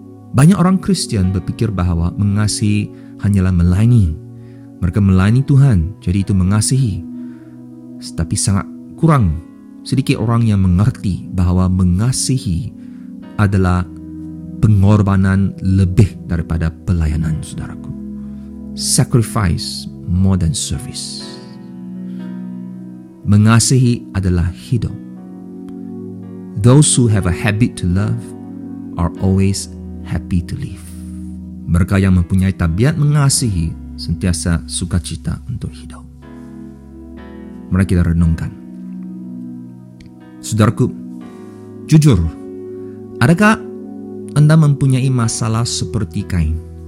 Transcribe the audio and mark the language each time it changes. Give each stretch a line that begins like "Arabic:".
Indonesian: Banyak orang Kristen berpikir bahwa mengasihi hanyalah melayani. Mereka melayani Tuhan, jadi itu mengasihi. Tetapi sangat kurang sedikit orang yang mengerti bahwa mengasihi adalah pengorbanan lebih daripada pelayanan, saudaraku.
English: Sacrifice more than service.
Indonesian: Mengasihi adalah hidup.
English: Those who have a habit to love are always happy to live.
Indonesian: Mereka yang mempunyai tabiat mengasihi sentiasa sukacita untuk hidup. Mari kita renungkan. Saudaraku, jujur, adakah Anda mempunyai masalah seperti Kain?